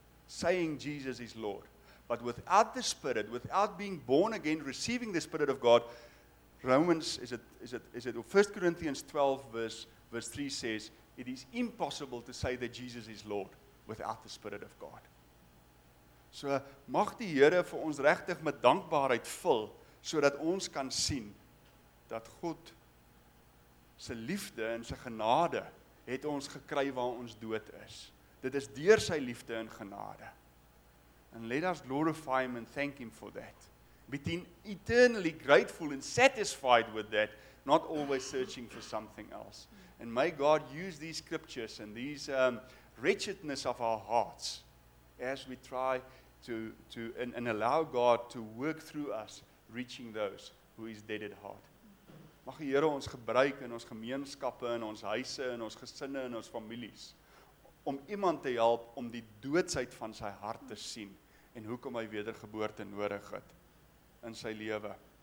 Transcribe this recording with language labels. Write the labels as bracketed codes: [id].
[en] Saying Jesus is Lord. But without the Spirit, without being born again, receiving the Spirit of God, Romans, 1 Corinthians 12 verse 3 says, it is impossible to say that Jesus is Lord without the Spirit of God. [af] So mag die Here vir ons regtig met dankbaarheid vul, sodat ons kan sien dat God se liefde en se genade het ons gekry waar ons dood is. Dit is deur sy liefde en genade. [en] And let us glorify him and thank him for that. Being eternally grateful and satisfied with that, not always searching for something else. And may God use these scriptures and these wretchedness of our hearts as we try to allow God to work through us, reaching those who is dead at heart. [af] Mag die Here ons gebruik in ons gemeenskappe, in ons huise, in ons gesinne, in ons families, om iemand te help om die doodsheid van sy hart te sien en hoekom hy wedergeboorte nodig het in sy lewe.